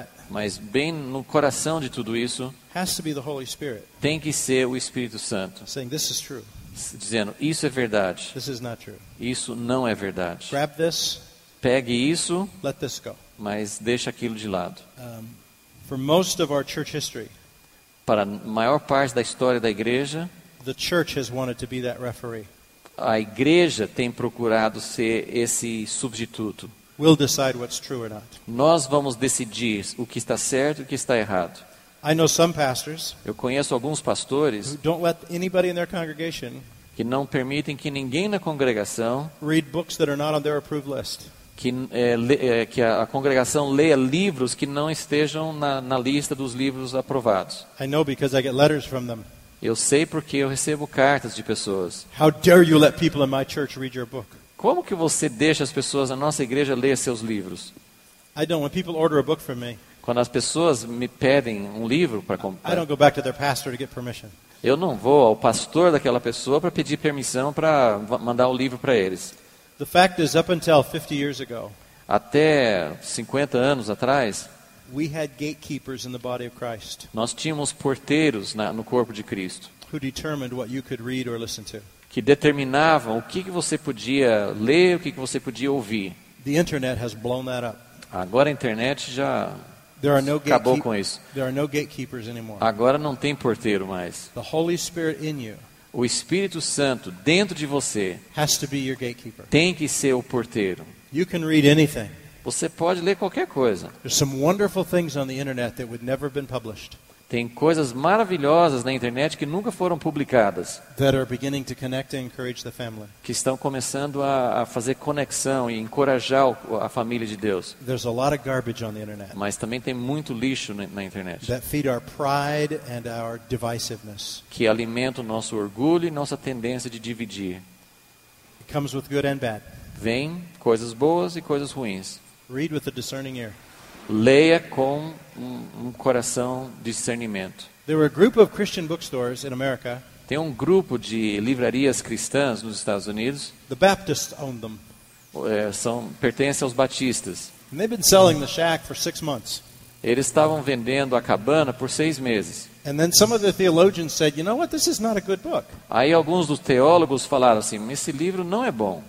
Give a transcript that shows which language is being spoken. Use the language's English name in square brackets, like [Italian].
[Portuguese] Mas bem no coração de tudo isso tem que ser o Espírito Santo dizendo, isso é verdade. Isso não é verdade. Pegue isso, mas deixe aquilo de lado. [English] For most of our church history, [Portuguese] para a maior parte da história da igreja, [English] the church has wanted to be that referee. [Portuguese] A igreja tem procurado ser esse substituto. [English] We'll decide what's true or not. [Portuguese] Nós vamos decidir o que está certo e o que está errado. [English] I know some pastors, [Portuguese] eu conheço alguns pastores [English] who don't let anybody in their congregation, [Portuguese] que não permitem que ninguém na congregação [English] read books that are not on their approved list. [Portuguese] Que a congregação leia livros que não estejam na lista dos livros aprovados. [English] I know because I get letters from them. [Portuguese] Eu sei porque eu recebo cartas de pessoas. [English] How dare you let people in my church read your book? [Portuguese] Como que você deixa as pessoas na nossa igreja ler seus livros? [English] I don't. When people order a book from me, [Portuguese] quando as pessoas me pedem um livro para comprar, [English] I don't go back to their pastor to get permission. [Portuguese] Eu não vou ao pastor daquela pessoa para pedir permissão para mandar o livro para eles. [English] The fact is, up until 50 years ago, [Portuguese] até 50 anos atrás, [English] we had gatekeepers in the body of Christ. [Portuguese] Nós tínhamos porteiros no corpo de Cristo. [English] Who determined what you could read or listen to. [Portuguese] Que determinavam o que você podia ler, o que você podia ouvir. [English] The internet has blown that up. [Portuguese] Agora a internet já acabou com isso. [English] There are no gatekeepers anymore. [Portuguese] Agora não tem porteiro mais. [English] The Holy Spirit in you. [Portuguese] O Espírito Santo dentro de você [English] has to be your gatekeeper. [Portuguese] Tem que ser o porteiro. [English] You can read anything. [Portuguese] Você pode ler qualquer coisa. [English] There's some wonderful things on the internet that would never have been published. [Portuguese] Tem coisas maravilhosas na internet que nunca foram publicadas. [English] That are beginning to connect and encourage the family. [Portuguese] Que estão começando a fazer conexão e encorajar a família de Deus. [English] There's a lot of garbage on the internet. [Portuguese] Mas também tem muito lixo na internet. [English] That feed our pride and our divisiveness. [Portuguese] Que alimenta o nosso orgulho e nossa tendência de dividir. [English] It comes with good and bad. [Portuguese] Vem coisas boas e coisas ruins. [English] Read with a discerning ear. [Portuguese] Leia com um coração de discernimento. [English] There were a group of Christian bookstores in America. [Portuguese] Tem um grupo de livrarias cristãs nos Estados Unidos. [English] The Baptists owned them. [Portuguese] Pertencem aos batistas. [English] And they've been selling the shack for 6 months. [Portuguese] Eles estavam vendendo a cabana por 6 meses. [English] And then some of the theologians said, you know what, this is not a good book. [Portuguese] Aí alguns dos teólogos falaram assim, esse livro não é bom.